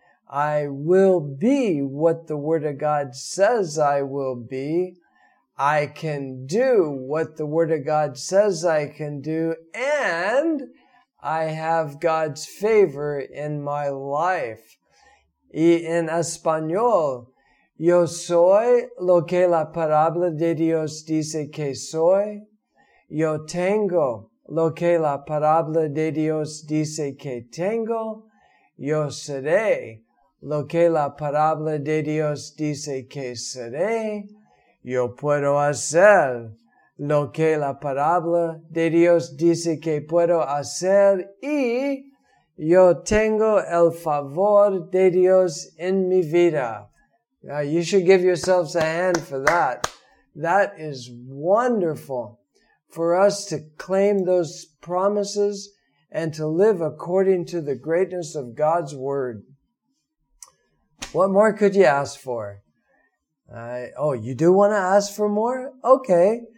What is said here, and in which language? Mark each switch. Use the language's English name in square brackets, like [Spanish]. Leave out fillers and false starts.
[English] I will be what the Word of God says I will be. I can do what the Word of God says I can do, and I have God's favor in my life. [Spanish] Y en español, yo soy lo que la palabra de Dios dice que soy. Yo tengo lo que la palabra de Dios dice que tengo. Yo seré lo que la palabra de Dios dice que seré. Yo puedo hacer lo que la palabra de Dios dice que puedo hacer y yo tengo el favor de Dios en mi vida. [English] Now, you should give yourselves a hand for that. That is wonderful for us to claim those promises and to live according to the greatness of God's Word. What more could you ask for? You do want to ask for more? Okay.